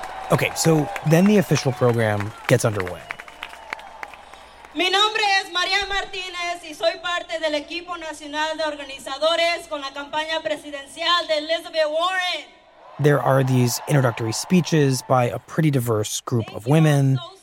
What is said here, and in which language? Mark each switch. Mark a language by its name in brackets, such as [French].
[English] Okay, so then the official program gets underway. [Spanish] Mi nombre es María Martínez y soy parte del equipo nacional de organizadores con la campaña presidencial de Elizabeth Warren. [English] There are these introductory speeches by a pretty diverse group of women.